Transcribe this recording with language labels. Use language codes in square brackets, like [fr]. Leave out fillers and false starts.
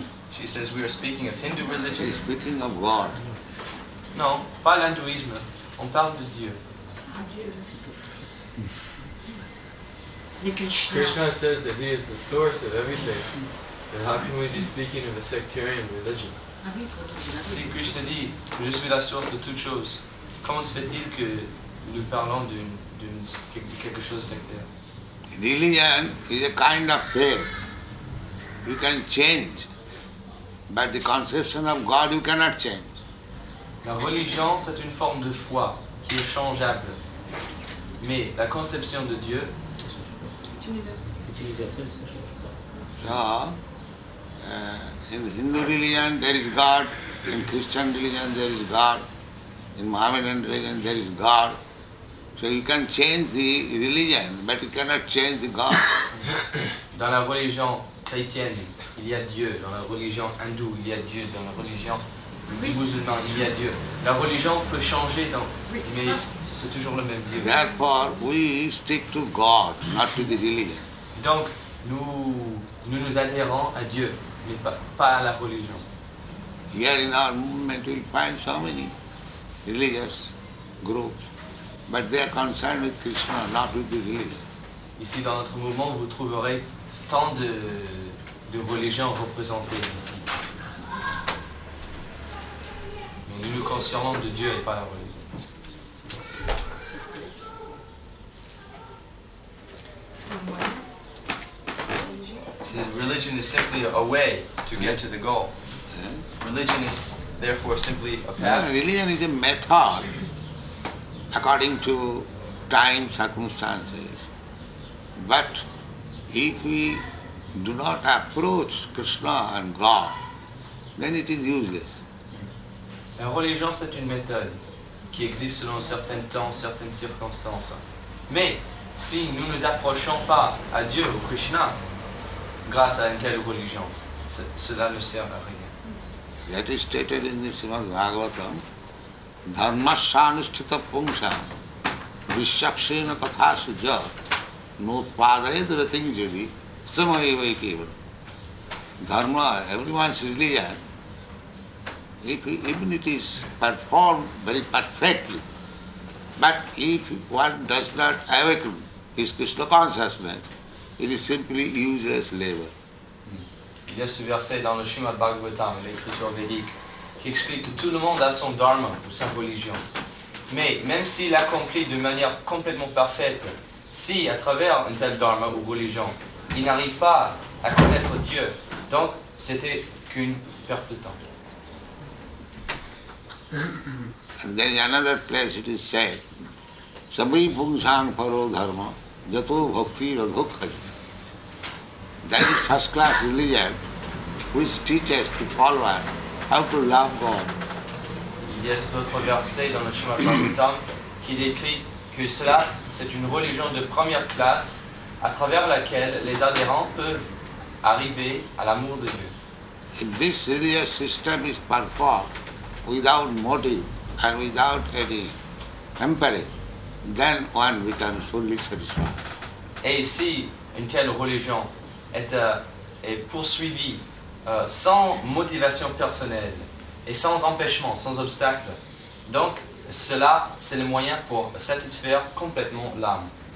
[en] She says we are speaking of Hindu religion. She's speaking of God. [fr] No, pas l'hindouisme. On parle de Dieu. [en] Krishna says that he is the source of everything. And how can we be speaking of a sectarian religion? [fr] Si Krishna dit, je suis la source de toutes choses, comment se fait-il que nous parlons d'une quelque chose sectaire? [en] Religion is a kind of faith. You can change. But the conception of God, you cannot change. [fr] La religion, c'est une forme de foi qui est changeable. Mais la conception de Dieu, c'est universel, ça ne change pas. Ça, [en] In the Hindu religion there is God, in Christian religion there is God, in Mohammedan religion there is God. So you can change the religion, but you cannot change the God. [fr] Dans la religion chrétienne, il y a Dieu. Dans la religion hindoue, il y a Dieu. Dans la religion musulmane, il y a Dieu. La religion peut changer, mais c'est toujours le même Dieu. [en] Therefore, we stick to God, not to the religion. [fr] Donc, nous adhérons à Dieu, mais pas à la religion. [en] Here in our movement, we find so many religious groups, but they are concerned with Krishna, not with the religion. [fr] Ici, dans notre mouvement, vous trouverez tant de religions représentées ici. Mais nous nous concernons de Dieu et pas la religion. C'est un moyen. [en] Religion is simply a way to get to the goal. Religion is therefore simply a path. Yeah, religion is a method according to time, circumstances. But if we do not approach Krishna and God, then it is useless. [fr] La religion, c'est une méthode qui existe selon certains temps, certaines circonstances. Mais si nous ne nous approchons pas à Dieu ou Krishna, grâce à une telle religion, cela ne sert à rien. [en] That is stated in the Srimad Bhagavatam. [sa] Dharma sanishtita pungsa vishyakshena kathasuja nutpadayadratin jadi samayivaikeva. [en] Dharma, everyone's religion, even it is performed very perfectly, but if one does not awaken his Krishna consciousness, it is simply useless labor. [fr] Il y a ce verset dans le Srimad Bhagavatam, l'écriture védique, qui explique que tout le monde a son dharma ou sa religion. Mais même s'il accomplit de manière complètement parfaite, si à travers un tel dharma ou religion, il n'arrive pas à connaître Dieu, donc c'était qu'une perte de temps. [en] And then another place it is said, [sa] sabhi pungsang paro dharma yato bhakti radhokhari. [en] That is first class religion which teaches the follower how to love God. [fr] Il y a cet autre verset dans le Srimad Bhagavatam qui décrit que cela, c'est une religion de première classe à travers laquelle les adhérents peuvent arriver à l'amour de Dieu. [en] If this religious system is performed without motive and without any empathy, then one becomes fully satisfied. [fr] Et si une telle religion est poursuivi sans motivation personnelle et sans empêchement, sans obstacle. Donc, cela, c'est le moyen pour satisfaire complètement l'âme.